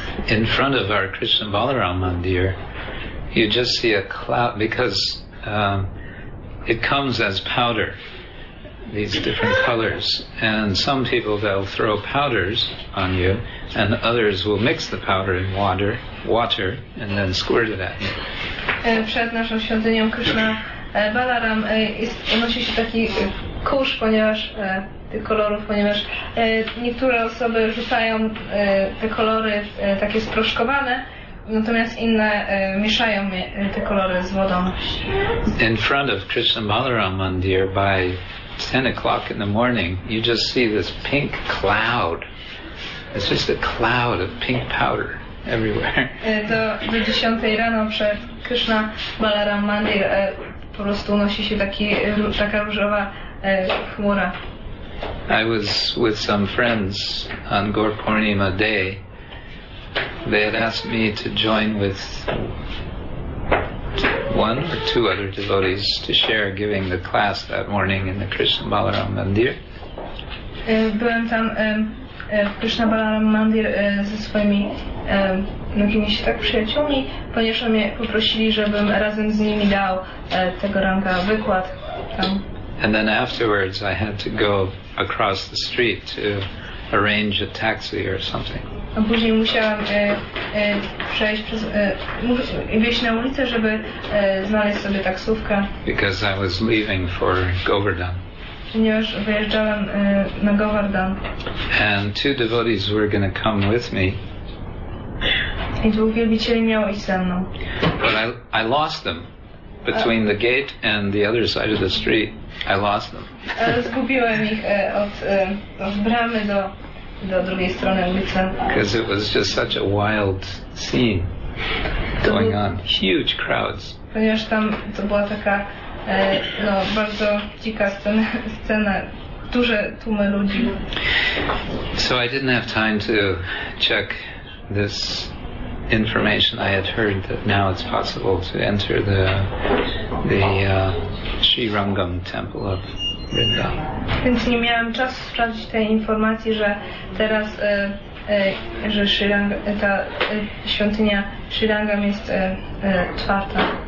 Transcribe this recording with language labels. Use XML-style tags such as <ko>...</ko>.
<en>In front of our Krishna Balaram Mandir, you just see a cloud, because it comes as powder, these different colors. And some people, they'll throw powders on you, and others will mix the powder in water, and then squirt it at you.</en> <pl>Przed naszą świątynią Krishna Balaram nosi się taki kurz, ponieważ tych kolorów, ponieważ niektóre osoby rzucają te kolory takie sproszkowane, natomiast inne mieszają te kolory z wodą.</pl> <en>In front of Krishna Balaram Mandir, by 10 o'clock in the morning, you just see this pink cloud. It's just a cloud of pink powder everywhere.</en> <pl>To do 10 rano przed Krishna Balaram Mandir po prostu unosi się taka różowa chmura.</pl> <en>I was with some friends on Gaur Purnima day. They had asked me to join with one or two other devotees to share giving the class that morning in the Krishna Balaram Mandir.</en> <pl>Byłem tam w Krishna Balaram Mandir ze swoimi mnogimi się tak przyjaciółmi, ponieważ mnie poprosili, żebym razem z nimi dał tego ranka wykład tam.</pl> <en>And then afterwards I had to go across the street to arrange a taxi or something.</en> <pl>A później musiałam przejść przez wyjść na ulicę, żeby znaleźć sobie taksówkę.</pl> <en>Because I was leaving for Govardhan.</en> <pl>Ponieważ wyjeżdżałam na Govardhan.</pl> <en>And two devotees were going to come with me.</en> <pl>I dwóch wielbicieli miało iść ze mną.</pl> <en>But I lost them. Between the gate and the other side of the street, I lost them.</en> <pl>Zgubiłem ich od bramy do drugiej strony ulicy.</pl> <en>Because it was just such a wild scene going on. Huge crowds.</en> <pl>Ponieważ tam to była taka bardzo dzika scena. Duże tłumy ludzi.</pl> <en>So I didn't have time to check this information I had heard that now it's possible to enter the Sri Rangam temple of Vrindavan.</en> <pl>Więc nie miałem czasu sprawdzić tej informacji, że teraz że Sri Rangam, ta świątynia Sri Rangam jest otwarta.</pl>